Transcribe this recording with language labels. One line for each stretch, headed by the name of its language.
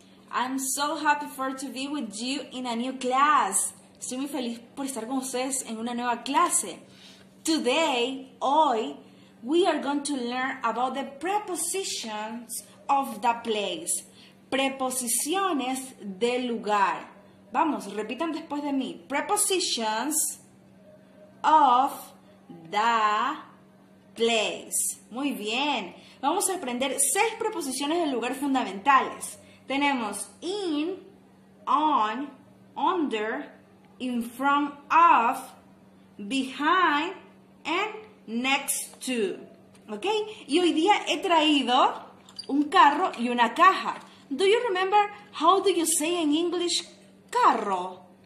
English: I'm so happy for to be with you in a new class.
Spanish: Estoy muy feliz por estar con ustedes en una nueva clase.
English: Today, hoy, we are going to learn about the prepositions of the place.
Spanish: Preposiciones del lugar. Vamos, repitan después de mí.
English: Prepositions of the place.
Spanish: Muy bien. Vamos a aprender 6 preposiciones del lugar fundamentales.
English: Tenemos in, on, under, in front of, behind, and next to. ¿Ok?
Spanish: Y hoy día he traído un carro y una caja.
English: Do you remember how do you say in English carro?